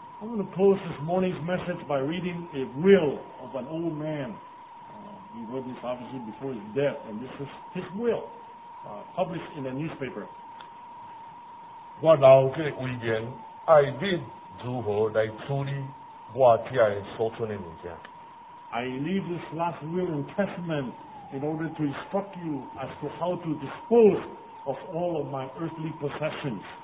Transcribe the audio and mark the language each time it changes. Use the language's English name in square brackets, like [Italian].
[English] I'm going to close this morning's message by reading a will of an old man. He wrote this obviously before his death, and this is his will, published in a newspaper. [Min Nan Chinese] 我留这遗言，爱恁如何来处理我遮个所存的物件。 [English] I leave this last will and testament in order to instruct you as to how to dispose of all of my earthly possessions.